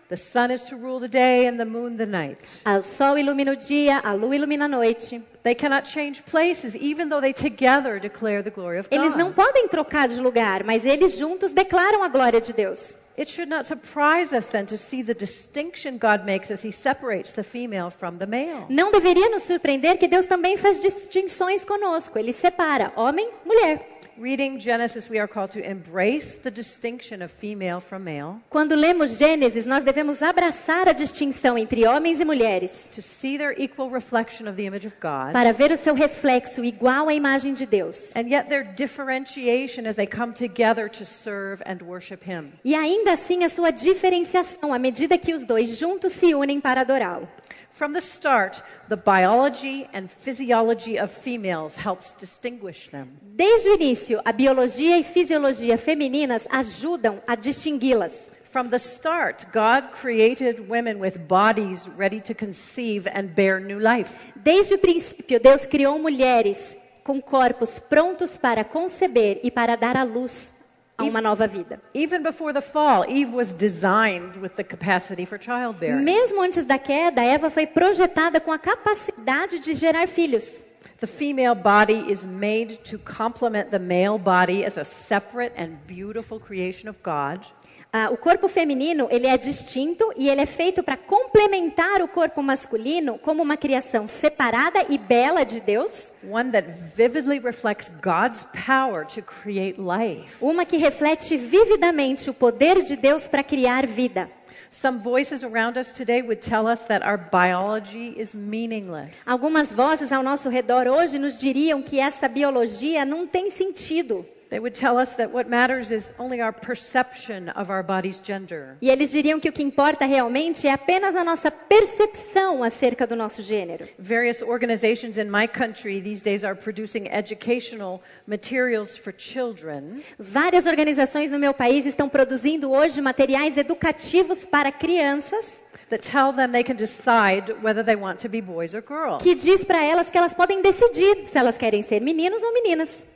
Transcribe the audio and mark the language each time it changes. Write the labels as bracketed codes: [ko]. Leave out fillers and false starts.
[en] The sun is to rule the day and the moon the night. [pt] O sol ilumina o dia, a lua ilumina a noite. [en] They cannot change places, even though they together declare the glory of God. [pt] Eles não podem trocar de lugar, mas eles juntos declaram a glória de Deus. [en] It should not surprise us then to see the distinction God makes as he separates the female from the male. [pt] Não deveria nos surpreender que Deus também faz distinções conosco. Ele separa homem, mulher. [en] Reading Genesis, we are called to embrace the distinction of female from male. [pt] Quando lemos Gênesis, nós devemos abraçar a distinção entre homens e mulheres. [en] To see their equal reflection of the image of God. [pt] Para ver o seu reflexo igual à imagem de Deus. [en] And yet their differentiation as they come together to serve and worship Him. [pt] E ainda assim a sua diferenciação à medida que os dois juntos se unem para adorá-lo. [en] From the start, the biology and physiology of females helps distinguish them. [pt] Desde o início, a biologia e fisiologia femininas ajudam a distingui-las. [en] From the start, God created women with bodies ready to conceive and bear new life. [pt] Desde o princípio, Deus criou mulheres com corpos prontos para conceber e para dar à luz. A uma nova vida. [en] Even before the fall, Eve was designed with the capacity for childbearing. [pt] Mesmo antes da queda, Eva foi projetada com a capacidade de gerar filhos. [en] The female body is made to complement the male body as a separate and beautiful creation of God. [pt] O corpo feminino, ele é distinto e ele é feito para complementar o corpo masculino como uma criação separada e bela de Deus. [en] One that vividly reflects God's power to create life. [pt] Uma que reflete vividamente o poder de Deus para criar vida. [en] Some voices around us today would tell us that our biology is meaningless. [pt] Algumas vozes ao nosso redor hoje nos diriam que essa biologia não tem sentido. [en] They would tell us that what matters is only our perception of our body's gender. [pt] E eles diriam que o que importa realmente é apenas a nossa percepção acerca do nosso gênero. [en] Various organizations in my country these days are producing educational materials for children. [pt] Várias organizações no meu país estão produzindo hoje materiais educativos para crianças. [en] That tell them they can decide whether they want to be boys or girls. [pt] Que diz para elas que elas podem decidir se elas querem ser meninos ou meninas.